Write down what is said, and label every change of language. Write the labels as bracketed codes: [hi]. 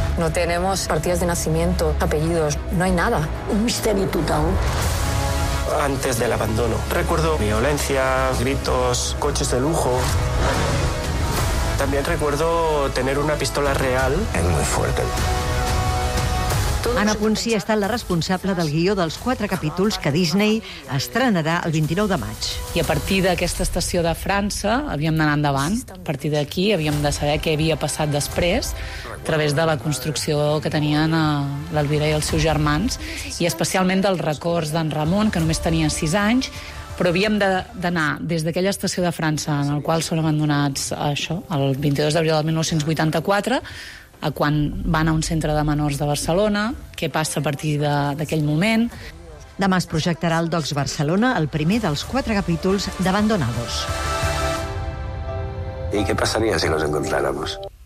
[es] No tenemos partidas de nacimiento, apellidos, no hay nada. [ca] Un misteri total. [es] Antes del abandono, recuerdo violencia, gritos, coches de lujo. También recuerdo tener una pistola real. Es muy fuerte. [ca] Anna Ponsí ha estat la responsable del guió dels 4 capítols que Disney estrenarà el 29 de maig. I a partir d'aquesta estació de França havíem d'anar endavant. A partir d'aquí havíem de saber què havia passat després a través de la construcció que tenien l'Elvira i els seus germans i especialment dels records d'en Ramon, que només tenia 6 anys, però havíem d'anar des d'aquella estació de França en el qual són abandonats això, el 22 d'abril del 1984, a quan van a un centre de menors de Barcelona, què passa a partir d'aquell moment. Demà es projectarà el Docs Barcelona, el primer dels 4 capítols d'Abandonados. [es] ¿Y qué pasaría si los encontráramos?